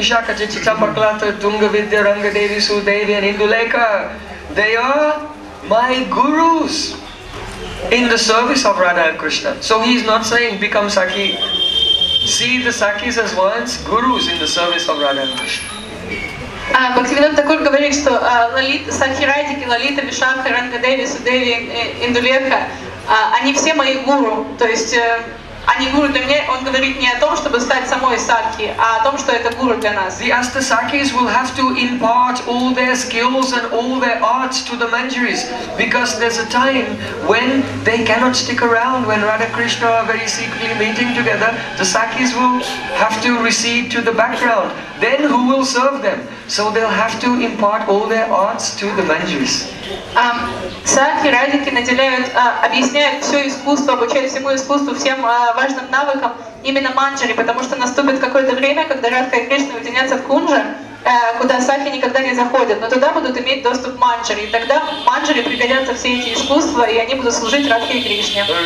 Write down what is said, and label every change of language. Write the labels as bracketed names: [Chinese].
[English] Chitamaklata, Tunga Vidya, Ranga Devi, Sudevi and Induleka, they are my gurus in the service of Radha and Krishna. So he is not saying become Sakhi. See the Sakhis as once gurus in the service of Radha and Krishna. [Russian] Бхактивинода Такур говорит, что Сахирайтики, Лалита, Вишакха, Ранга Деви, Судеви, Индулеха, они все мои гуру, то есть они гуру для меня, он говорит не о том, чтобы стать самой Сакхи, а о том, что это гуру для нас. [English] The Astasakis will have to impart all their skills and all their arts to the Manjaris, because there's a time when they cannot stick around, when Radha Krishna are very secretly meeting together, the Sakhis will have to recede to the background. Then who will serve them? So they'll have to impart all their arts to the Manjaris. [Russian] Сакхи, радики наделяют, объясняют все искусство, обучают всему искусству, всем важным навыкам именно манджари, потому что наступит какое-то время, когда Радха и Кришна уединятся в кунже, куда сакхи никогда не заходят, но туда будут иметь доступ манджари, и тогда манджари пригодятся все эти искусства, и они будут служить Радхе и Кришне.